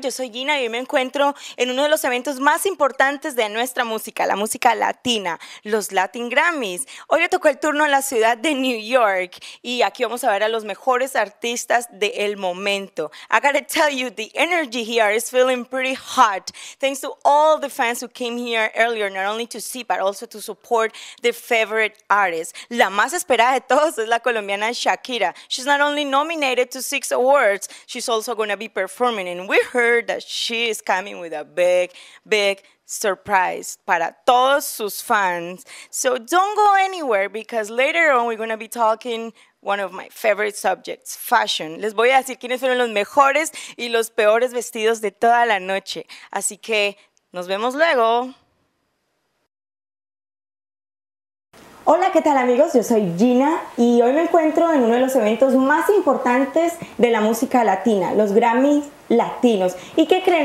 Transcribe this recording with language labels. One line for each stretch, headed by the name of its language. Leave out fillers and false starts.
Spanish: Yo soy Gina y me encuentro en uno de los eventos más importantes de nuestra música, la música latina, los Latin Grammys. Hoy le tocó el turno a la ciudad de New York y aquí vamos a ver a los mejores artistas del momento.
English: I gotta tell you, the energy here is feeling pretty hot. Thanks to all the fans who came here earlier, not only to see, but also to support their favorite artists.
Spanish: La más esperada de todos es la colombiana Shakira.
English: She's not only nominated to 6 awards, she's also going to be performing, and we heard that she is coming with a big, big surprise
Spanish: para todos sus fans.
English: So don't go anywhere, because later on we're going to be talking one of my favorite subjects, fashion.
Spanish: Les voy a decir quiénes fueron los mejores y los peores vestidos de toda la noche. Así que nos vemos luego. Hola, ¿qué tal, amigos? Yo soy Gina y hoy me encuentro en uno de los eventos más importantes de la música latina, los Grammy Latinos. ¿Y qué creen?